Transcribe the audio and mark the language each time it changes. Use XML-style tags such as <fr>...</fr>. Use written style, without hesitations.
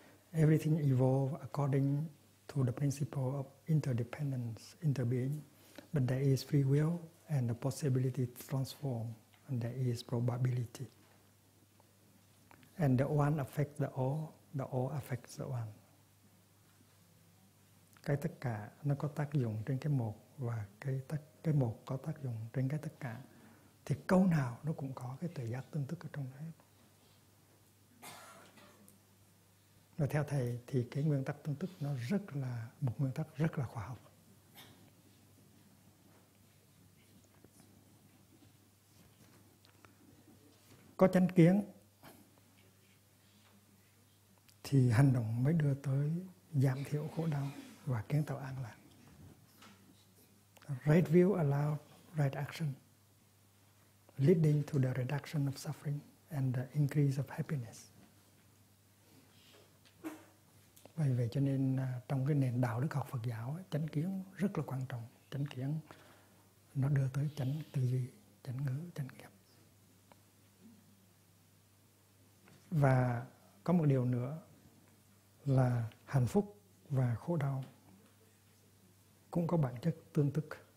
<en>Everything evolves according to the principle of interdependence, interbeing. But there is free will and the possibility to transform, and there is probability. And the one affects the all affects the one.</en> <vi>Cái tất cả nó có tác dụng trên cái một, và cái một có tác dụng trên cái tất cả. Thì câu nào nó cũng có cái tự giác tương thức ở trong đấy. Và theo thầy thì cái nguyên tắc tương thức nó rất là một nguyên tắc rất là khoa học. Có chánh kiến thì hành động mới đưa tới giảm thiểu khổ đau và kiến tạo an lạc.</vi> <en>Right view allows right action, leading to the reduction of suffering and the increase of happiness.</en> <vi>Vậy vậy cho nên trong cái nền đạo đức học Phật giáo, chánh kiến rất là quan trọng. Chánh kiến nó đưa tới chánh tư duy, chánh ngữ, chánh nghiệp. Và có một điều nữa là hạnh phúc và khổ đau cũng có bản chất tương tức.</vi>